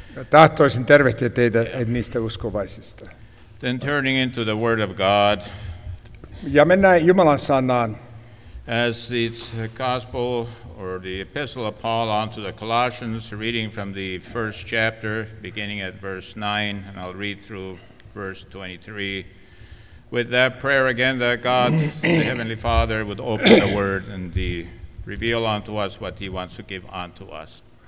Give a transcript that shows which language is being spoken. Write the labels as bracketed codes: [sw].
[fi] Tahtoisin tervehtiä teitä niistä uskovaisista. [en] Then turning into the Word of God. [fi] Ja mennään Jumalan sanaan. [en] As it's gospel or the epistle of Paul unto the Colossians, reading from the first chapter, beginning at verse 9, and I'll read through verse 23, with that prayer again that God, the Heavenly Father, would open the word and reveal unto us what he wants to give unto us.